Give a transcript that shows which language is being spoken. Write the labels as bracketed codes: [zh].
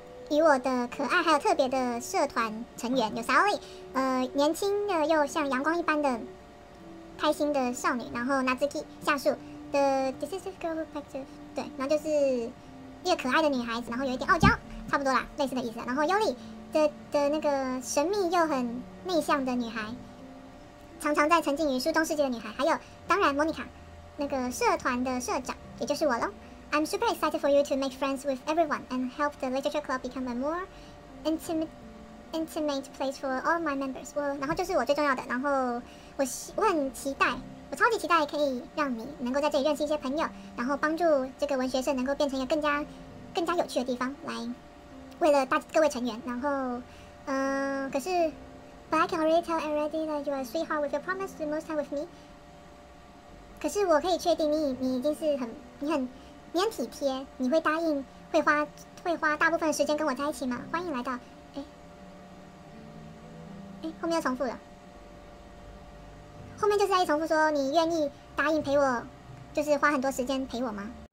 [zh] 与我的可爱还有特别的社团成员有 Sally， 年轻的又像阳光一般的开心的少女，然后 Nazuki 夏树 [en] The Decisive Girl Perspective， [zh] 对，然后就是一个可爱的女孩子，然后有一点傲娇，差不多啦，类似的意思。然后 Yuri 的那个神秘又很内向的女孩，常常在沉浸于书中世界的女孩，还有当然 Monica 那个社团的社长，也就是我咯。 [en] I'm super excited for you to make friends with everyone and help the literature club become a more intimate place for all my members. [zh] 然后就是我最重要的，然后我很期待，我超级期待可以让你能够在这里认识一些朋友，然后帮助这个文学社能够变成一个更加有趣的地方，来为了各位成员。 [en] 然后But I can already tell already that you are a sweetheart with your promise to most time with me. [zh] 可是我可以确定你已经是你很体贴，你会答应会花大部分时间跟我在一起吗？欢迎来到，后面又重复了，后面就是在重复说你愿意答应陪我，就是花很多时间陪我吗？